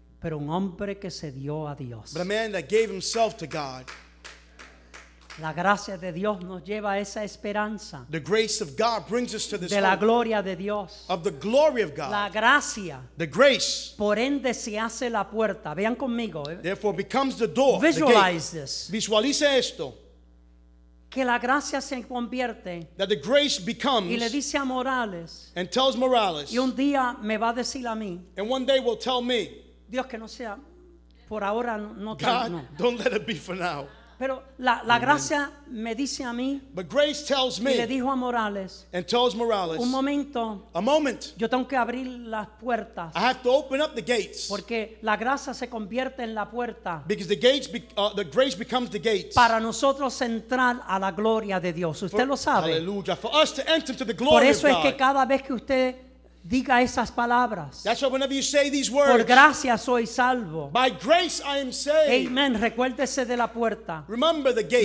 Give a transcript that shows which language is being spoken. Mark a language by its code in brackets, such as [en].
[es] Pero un hombre que se dio a Dios. [en] But a man that gave himself to God. [es] La gracia de Dios nos lleva a esa esperanza. [en] The grace of God brings us to this [es] de la gloria de Dios. [en] Of the glory of God. [es] La gracia. [en] The grace. [es] Por ende se hace la puerta. Vean conmigo. [en] Therefore becomes the door. Visualize the this. [es] Visualice esto. Que la gracia se convierte. [en] That the grace becomes. [es] Y le dice a Morales. [en] And tells Morales. [es] Y un día me va a decir a mí. [en] And one day will tell me. [es] Dios que no sea por ahora no. [en] God, no. Don't let it be for now. [es] Pero la gracia me dice a mí, [en] but grace tells me, [es] y le dijo a Morales, [en] and tells Morales, [es] un momento, [en] a moment, [es] yo tengo que abrir las puertas, [en] I have to open up the gates, [es] porque la gracia se convierte en la puerta, [en] because the gates, the grace becomes the gates, [es] para nosotros entrar a la gloria de Dios, usted lo sabe, [en] hallelujah, for us to enter to the glory of God. [es] Por eso es [en] God. [es] Que cada vez que usted diga esas palabras. [en] That's why whenever you say these words. [es] Por gracia soy salvo. [en] By grace I am saved. [es] Amen. Recuérdese de la puerta. [en] Remember the gate.